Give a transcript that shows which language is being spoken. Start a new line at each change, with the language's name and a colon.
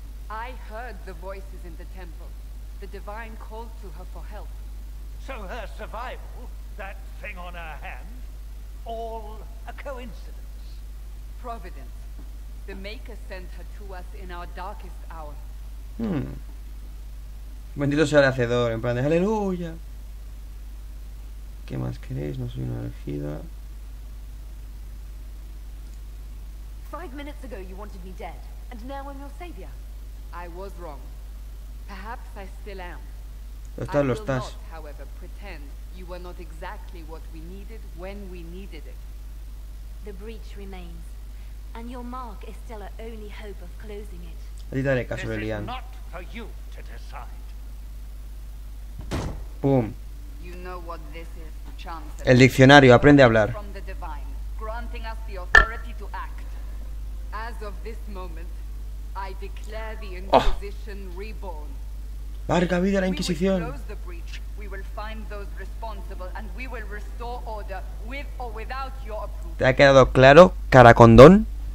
English: I heard the voices in the temple. The divine called to her for help. So her survival, that thing on her hand, all a coincidence. Providence. The Maker sent her to us in our darkest hour.
Spanish: Bendito sea el Hacedor, en plan de aleluya. ¿Qué más queréis? No soy una elegida.
English: 5 minutes ago you wanted me dead, and now I'm your savior. I was wrong. Perhaps I still am.
Spanish: Lo estás, lo estás.
English: I will not, however, pretend you were not exactly what we needed when we needed it. The breach remains, and your mark is still our only hope of closing it.
Spanish: A ti daré caso, Lilian.
English: This is not for you to decide. Boom. You know what this is, Chancellor.
Spanish: El diccionario, aprende a hablar.
English: From the divine, granting us the authority to act. As of this moment, I declare the Inquisition reborn.
Spanish: Larga vida la Inquisición.
English: We will close the breach. We will find those responsible and we will restore order with or without your approval.
Spanish: ¿Te ha quedado claro, caracondón?